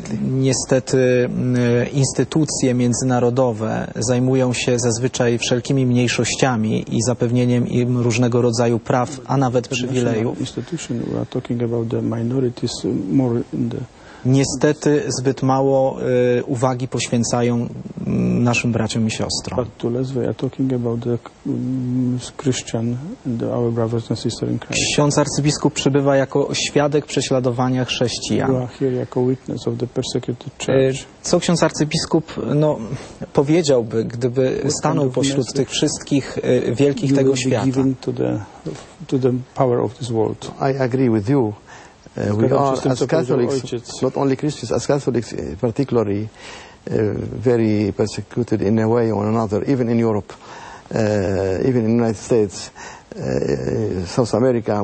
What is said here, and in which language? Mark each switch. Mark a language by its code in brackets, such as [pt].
[pl] Niestety instytucje międzynarodowe zajmują się zazwyczaj wszelkimi mniejszościami i zapewnieniem im różnego rodzaju praw, a nawet przywilejów. [en] About the minorities more in the... [pl] Niestety zbyt mało uwagi poświęcają naszym braciom i siostrom. [en] But too less we are talking about the Christian and our brothers and sisters in Christ. [pl] Ksiądz arcybiskup przybywa jako świadek prześladowania chrześcijan. [en] You are here jako witness of the persecuted church. [pl] Co ksiądz arcybiskup powiedziałby, gdyby stanął pośród tych wszystkich wielkich tego świata? [en] You will be given to the power of this world. I agree with you. We are, as Catholics, not only Christians, as Catholics particularly, very persecuted in a way or another, even in Europe, even in the United States, South America.